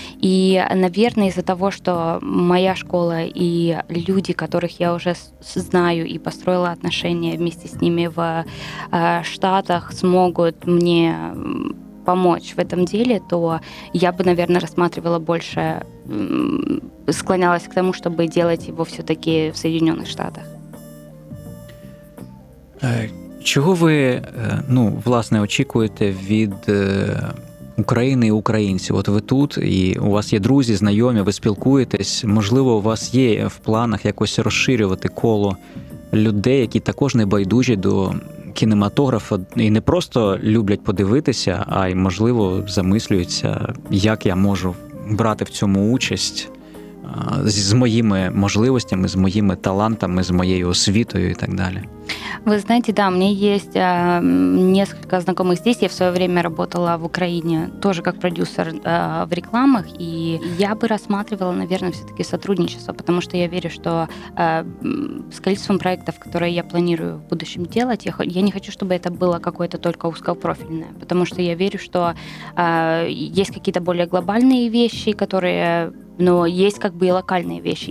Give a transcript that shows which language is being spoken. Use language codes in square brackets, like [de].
[ru] И, наверное, из-за того, что моя школа и люди, которых я уже знаю и построила отношения вместе с ними в Штатах, смогут мне помочь в этом деле, то я бы, наверное, рассматривала больше, склонялась к тому, чтобы делать его все-таки в Соединенных Штатах. Чего вы, [uk] ну, власне, очікуєте від України і українців. От ви тут, і у вас є друзі, знайомі, ви спілкуєтесь. Можливо, у вас є в планах якось розширювати коло людей, які також не байдужі до кінематографа і не просто люблять подивитися, а й, можливо, замислюються, як я можу брати в цьому участь з моїми можливостями, з моїми талантами, з моєю освітою і так далі. [ru] Вы знаете, да, у меня есть несколько знакомых здесь. Я в свое время работала в Украине тоже как продюсер в рекламах. И я бы рассматривала, наверное, все-таки сотрудничество, потому что я верю, что с количеством проектов, которые я планирую в будущем делать, я не хочу, чтобы это было какое-то только узкопрофильное, потому что я верю, что есть какие-то более глобальные вещи, которые, но есть как бы и локальные вещи.